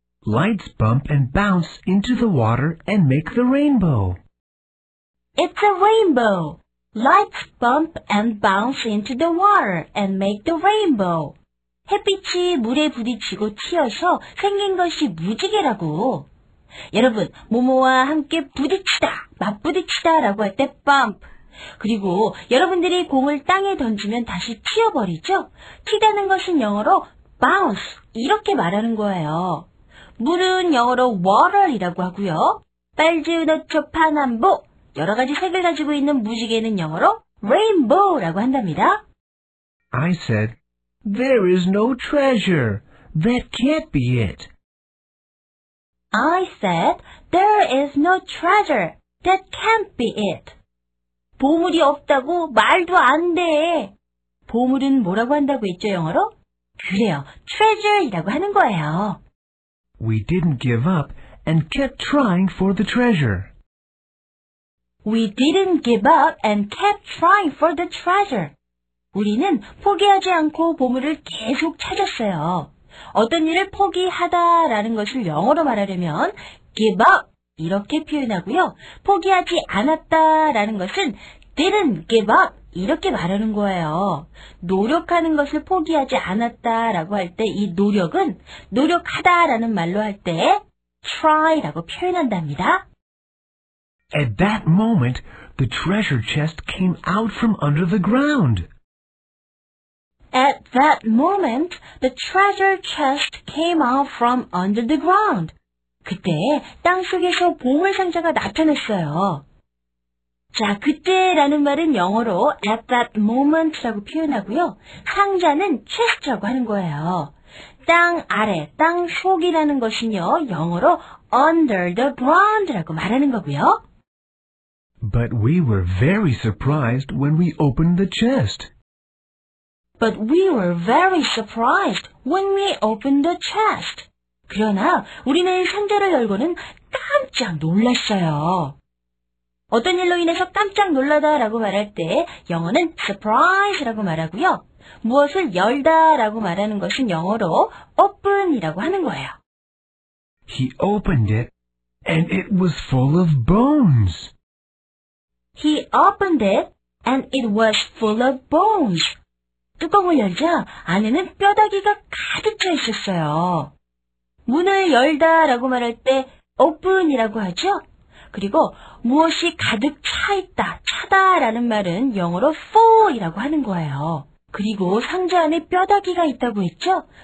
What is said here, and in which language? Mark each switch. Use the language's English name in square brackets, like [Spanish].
[English] Lights bump and bounce into the water and make the rainbow. It's a rainbow. Lights bump and bounce into the water and make the rainbow. [Korean] 햇빛이 물에 부딪히고 튀어서 생긴 것이 무지개라고. 여러분, 모모와 함께 부딪히다, 맞부딪히다 라고 할 때 bump. 그리고 여러분들이 공을 땅에 던지면 다시 튀어버리죠? 튀다는 것은 영어로 bounce 이렇게 말하는 거예요. 물은 영어로 water이라고 하고요. 빨주노초 파남보, 여러 가지 색을 가지고 있는 무지개는 영어로 rainbow라고 한답니다. [English] I said, there is no treasure. That can't be it. I said, there is no treasure. That can't be it. [Korean] 보물이 없다고 말도 안 돼. 보물은 뭐라고 한다고 했죠, 영어로? 그래요, treasure이라고 하는 거예요. [English] We didn't give up and kept trying for the treasure. We didn't give up and kept trying for the treasure. [Korean] 우리는 포기하지 않고 보물을 계속 찾았어요. 어떤 일을 포기하다 라는 것을 영어로 말하려면 give up 이렇게 표현하고요. 포기하지 않았다 라는 것은 didn't give up 이렇게 말하는 거예요. 노력하는 것을 포기하지 않았다 라고 할 때 이 노력은 노력하다 라는 말로 할 때 try 라고 표현한답니다. [English] At that moment, the treasure chest came out from under the ground. At that moment, the treasure chest came out from under the ground. [Korean] 그때 땅 속에서 보물 상자가 나타났어요. 자, 그때라는 말은 영어로 at that moment라고 표현하고요. 상자는 chest라고 하는 거예요. 땅 아래, 땅 속이라는 것은요, 영어로 under the ground라고 말하는 거고요. [English] But we were very surprised when we opened the chest. But we were very surprised when we opened the chest. [Korean] 그러나 우리는 상자를 열고는 깜짝 놀랐어요. 어떤 일로 인해서 깜짝 놀라다라고 말할 때 영어는 surprise라고 말하고요. 무엇을 열다라고 말하는 것은 영어로 open이라고 하는 거예요. [English] He opened it and it was full of bones. He opened it and it was full of bones. [Korean] 뚜껑을 열자 안에는 뼈다귀가 가득 차 있었어요. 문을 열다 라고 말할 때 open이라고 하죠. 그리고 무엇이 가득 차 있다, 차다 라는 말은 영어로 full이라고 하는 거예요. 그리고 상자 안에 뼈다귀가 있다고 했죠.